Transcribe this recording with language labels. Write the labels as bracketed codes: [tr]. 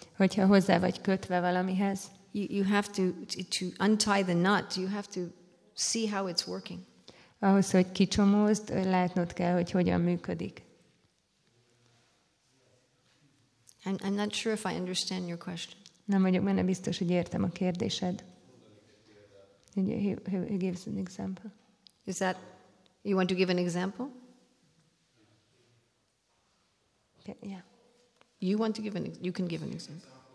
[hu] hogyha hozzá vagy kötve valamihez, [en] you have to untie the knot. You have to see how it's working. [hu] Ahhoz, hogy kicsomózd, látnod kell, hogy hogyan működik. [en] I'm not sure if I understand your question. [hu] Nem vagyok benne biztos, hogy értem a kérdésed. [en] He gives an example. Is that, you want to give an example? Okay, yeah. You want to give an, you can give an example.